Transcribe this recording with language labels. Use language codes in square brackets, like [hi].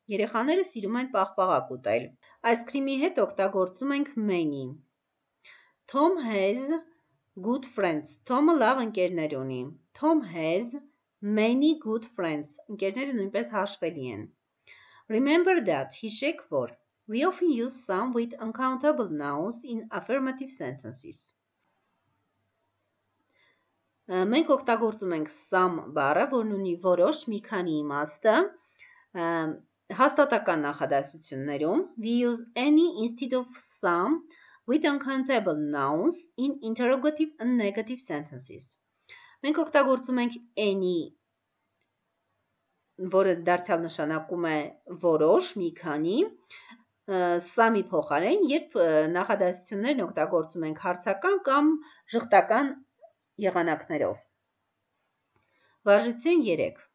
[hy] Երեխաները սիրում են պաղպաղակ ուտել. Ice cream-ի հետ օգտագործում ենք many. [en] Tom has good friends. [hy] Tom-ը լավ ընկերներ ունի. [en] Tom has many good friends. [hy] Ընկերները նույնպես հաշվելի են. [en] Remember that. [hy] Հիշեք որ. [en] We often use some with uncountable nouns in affirmative sentences. [hy] Մենք օգտագործում ենք some բառը, որն ունի որոշ մի քանի իմաստը, հաստատական նախադասություններում. [en] We use any instead of some with uncountable nouns in interrogative and negative sentences. [hy] Մենք օգտագործում ենք any, որը դարձյալ նշանակում է որոշ մի քանի, սամի փոխարեն, երբ նախադասություններն օգտագործում ենք հարցական կամ ժխտական եղանակներով. Վարժություն 3.